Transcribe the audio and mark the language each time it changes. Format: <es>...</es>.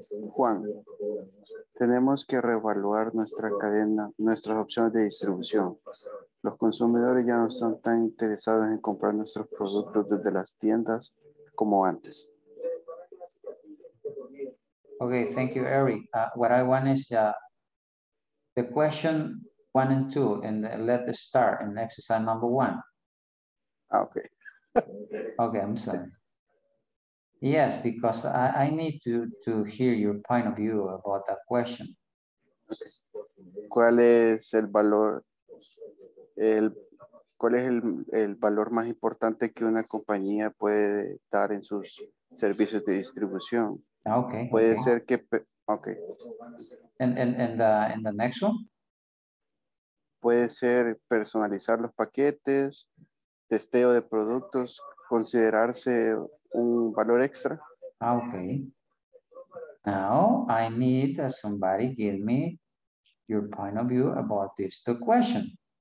<es>Juan, tenemos que reevaluar nuestra cadena, nuestras opciones de distribución. Los consumidores ya no están tan interesados en comprar nuestros productos desde las tiendas como antes.</es> <en>Okay, thank you, Eric. What I want is the question one and two, and let's start in exercise number one. Okay. Okay, I'm sorry. Yes, because I need to hear your point of view about that question.</en> <es>¿Cuál es el valor? ¿Cuál es el valor más importante que una compañía puede dar en sus servicios de distribución?</es> <en>Okay. Puede okay. ser que. Okay. And the next one.</en> <es>Puede ser personalizar los paquetes, testeo de productos, considerarse un valor extra.</es> <en>Okay. Now I need somebody give me your point of view about this two question.</en>